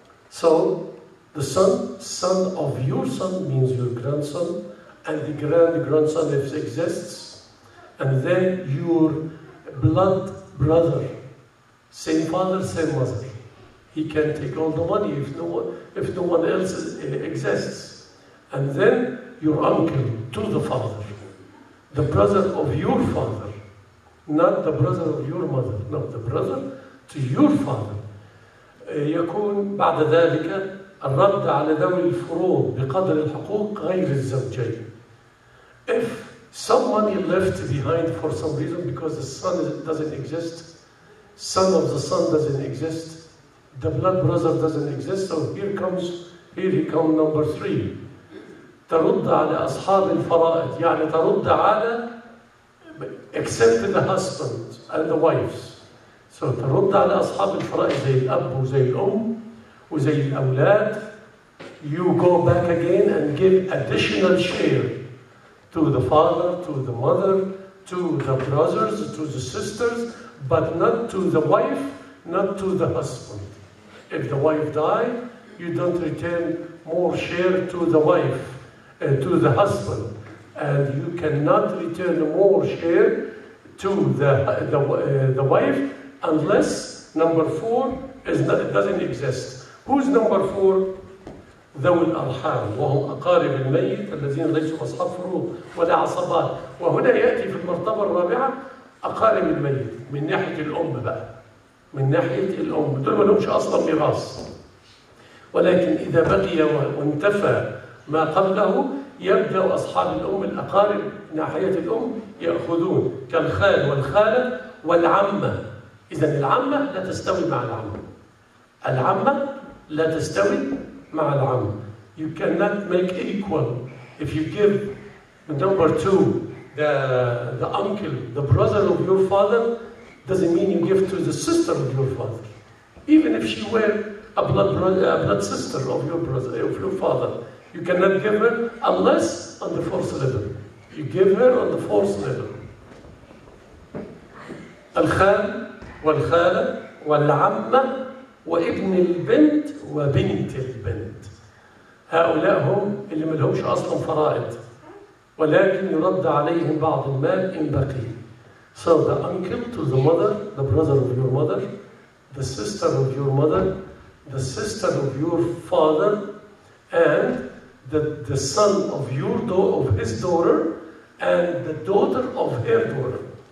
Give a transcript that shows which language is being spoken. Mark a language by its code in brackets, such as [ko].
[en] So, the son, son of your son means your grandson, and the grand-grandson if it exists, and then your blood brother, same father, same mother. He can take all the money if no one else is, exists. And then your uncle to the father, the brother of your father, not the brother of your mother, not the brother to your father. [ar] يكون بعد ذلك الرد على ذوي الفروض بقدر الحقوق غير الزوجين. [en] If somebody left behind for some reason because the son doesn't exist, son of the son doesn't exist, the blood brother doesn't exist, so here comes, here he comes number three. [ar] ترد على أصحاب الفرائض يعني ترد على [en] except the husband and the wives. [ar] So ترد على أصحاب الفرائض زي الأب وزي الأم وزي الأولاد. [en] You go back again and give additional share to the father, to the mother, to the brothers, to the sisters, but not to the wife, not to the husband. If the wife died, you don't return more share to the wife, to the husband, and you cannot return more share to the wife unless number four is not, doesn't exist. Who's number four? [ar] ذوي الأرحام وهم أقارب الميت الذين ليسوا أصحاب فروض ولا عصبات. وهنا يأتي في المرتبة الرابعة أقارب الميت من ناحية الأم بقى. من ناحية الأم دول ما لهمش أصلا ميراث، ولكن إذا بقي وانتفى ما قبله يبدأ أصحاب الأم الأقارب من ناحية الأم يأخذون كالخال والخالة والعمة. إذا العمة لا تستوي مع العم، العمة لا تستوي مع العم. [en] You cannot make equal. If you give number two, the uncle, the brother of your father, doesn't mean you give to the sister of your father, even if she were a blood brother, a blood sister of your brother, of your father. You cannot give her unless on the fourth level. You give her on the fourth level. [ar] الخال والخالة والعمة وابن البنت وبنت البنت. هؤلاء هم اللي ما لهمش اصلا فرائض، ولكن يرد عليهم بعض المال ان بقي. [en] So the uncle to the mother, the brother of your mother, the sister of your mother, the sister of your father, and the son of your daughter, of his daughter, and the daughter of her daughter.